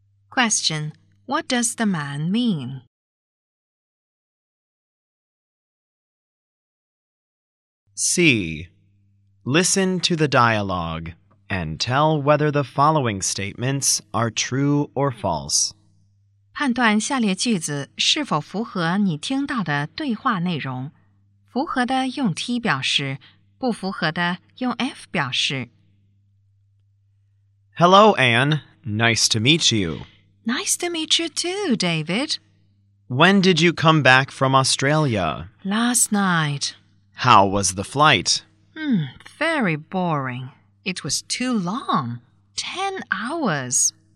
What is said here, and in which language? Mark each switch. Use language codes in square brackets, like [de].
[en] Question: what does the man mean? 'Listen to the dialogue and tell whether the following statements are true or false. [zh] 判断下列句子是否符合你听到的对话内容。符合的用 T 表示，不符合的用 F 表示。 [en] Hello, Anne. Nice to meet you. Nice to meet you too, David. When did you come back from Australia? Last night. How was the flight? Very boring. It was too long. 10 hours.